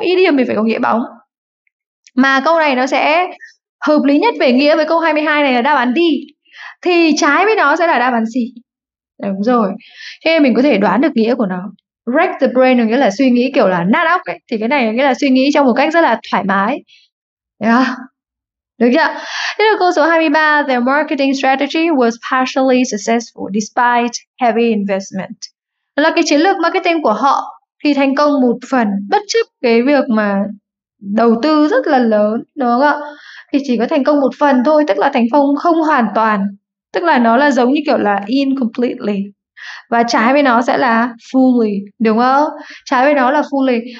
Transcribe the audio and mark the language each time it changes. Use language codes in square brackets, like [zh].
[vi] Idiom thì phải có nghĩa bóng. Mà câu này nó sẽ hợp lý nhất về nghĩa với câu 22 này là đáp án D. Thì trái với nó sẽ là đáp án C. Đúng rồi. Thế mình có thể đoán được nghĩa của nó. [en] Rack the brain [vi] nghĩa là suy nghĩ kiểu là nát óc ấy. Thì cái này nghĩa là suy nghĩ trong một cách rất là thoải mái. Được chưa? Thế là câu số 23. [en] Their marketing strategy was partially successful despite heavy investment. [vi] Đó là cái chiến lược marketing của họ thì thành công một phần bất chấp cái việc mà đầu tư rất là lớn, đúng không ạ? Thì chỉ có thành công một phần thôi, tức là thành công không hoàn toàn, tức là nó là giống như kiểu là incompletely. Và trái với nó sẽ là fully, đúng không? Trái với nó là fully.